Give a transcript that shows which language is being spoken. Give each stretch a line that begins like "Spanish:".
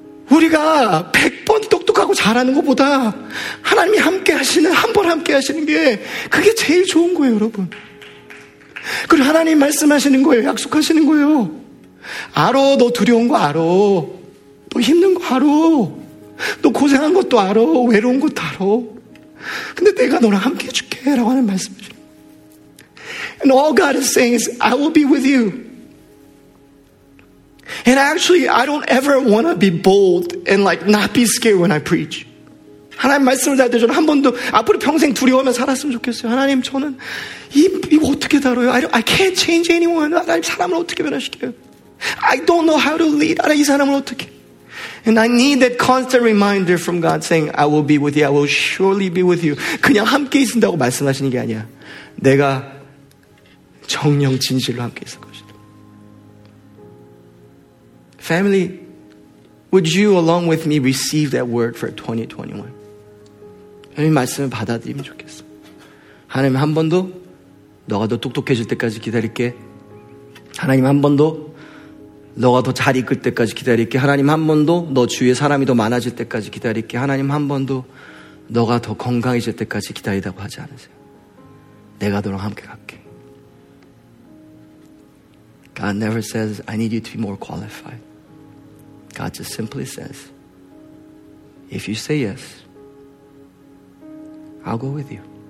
Korean: 우리가 100번 똑똑하고 잘하는 것보다 하나님이 함께 하시는 한 번 함께 하시는 게 그게 제일 좋은 거예요 여러분. 그리고 하나님 말씀하시는 거예요. 약속하시는 거예요. 알아. 너 두려운 거 알아. 너 힘든 거 알아. 너 고생한 것도 알아. 외로운 것도 알아. 근데 내가 너랑 함께 해줄게 라고 하는 말씀이죠.
English: And all God is saying is I will be with you. And actually, I don't ever want to be bold and like not be scared when I preach.
Korean: 하나님 말씀을 잘 들으셔서 한 번도 앞으로 평생 두려워하며 살았으면 좋겠어요. 하나님 저는 이 어떻게 다뤄요?
English: I can't change anyone.
Korean: 하나님 사람을 어떻게 변화시켜요?
English: I don't know how to lead.
Korean: 하나님 이 사람을 어떻게.
English: And I need that constant reminder from God saying, I will be with you. I will surely be with you.
Korean: 그냥 함께 있는다고 말씀하시는 게 아니야. 내가 정녕 진실로 함께 있을 것이다.
English: Family, would you along with me receive that word for 2021?
Korean: 하나님 말씀을 받아들이면 좋겠어. 하나님 한 번도 너가 더 똑똑해질 때까지 기다릴게. 하나님 한 번도 너가 더 잘 이끌 때까지 기다릴게. 하나님 한 번도 너 주위에 사람이 더 많아질 때까지 기다릴게. 하나님 한 번도 너가 더 건강해질 때까지 기다리다고 하지 않으세요. 내가 너랑 함께 갈게.
English: God never says I need you to be more qualified. God just simply says if you say yes, I'll go with you.